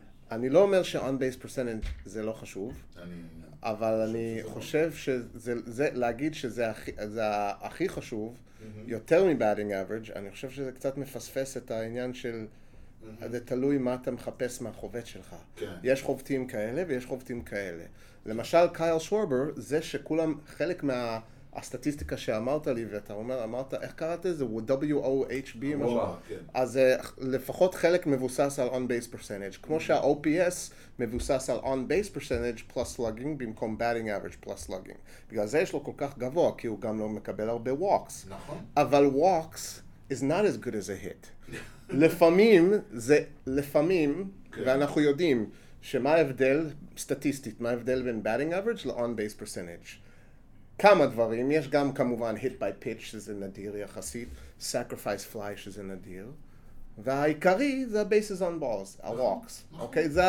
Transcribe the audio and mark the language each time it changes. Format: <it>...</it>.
<he>אני לא אומר ש-on-base percentage זה לא חשוב. אבל אני חושב שזה, להגיד שזה הכי חשוב, יותר מ-batting average, אני חושב שזה קצת מפספס את העניין של, זה תלוי מה אתה מחפש מהחובט שלך. יש חובטים כאלה ויש חובטים כאלה. למשל, קייל שוורבר, זה שכולם, חלק מהסטטיסטיקה שאמרת לי, ואתה אומר, אמרת, איך קראת את זה? W-O-H-B, אז לפחות חלק מבוסס על on-base percentage. כמו שה-OPS מבוסס על on-base percentage plus slugging במקום batting average plus slugging. בגלל זה יש לו כל כך גבוה, כי הוא גם לא מקבל הרבה walks. נכון. אבל</he> <en>walks is not as good as a hit.</en> <he>לפעמים זה, לפעמים, ואנחנו יודעים שמה ההבדל, סטטיסטית, מה ההבדל בין batting average ל-on-base percentage. כמה דברים, יש גם כמובן hit by pitch, שזה נדיר יחסית, sacrifice fly, שזה נדיר. והעיקרי זה ה-bases on balls, ה-walks, אוקיי?</he>